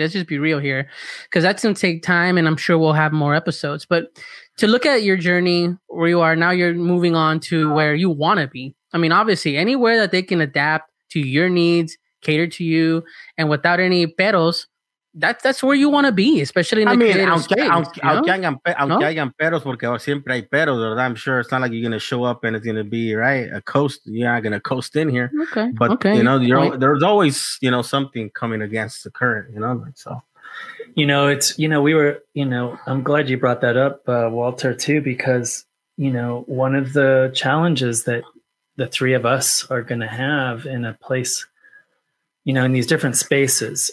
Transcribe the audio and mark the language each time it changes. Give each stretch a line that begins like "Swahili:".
English: Let's just be real here, because that's going to take time, and I'm sure we'll have more episodes. But to look at your journey, where you are now, you're moving on to where you want to be. I mean, obviously, anywhere that they can adapt to your needs, cater to you, and without any pedos, that's where you want to be, especially in
Spanish: pedos, porque siempre hay pedos, ¿verdad?
English: I'm sure it's not like you're going to show up and it's going to be, right, a coast. You're not going to coast in here. Okay. But, okay, you know, there's always, you know, something coming against the current, you know, so. You know, it's, you know, we were, you know, I'm glad you brought that up, Walter, too, because, you know, one of the challenges that the three of us are going to have in a place, you know, in these different spaces.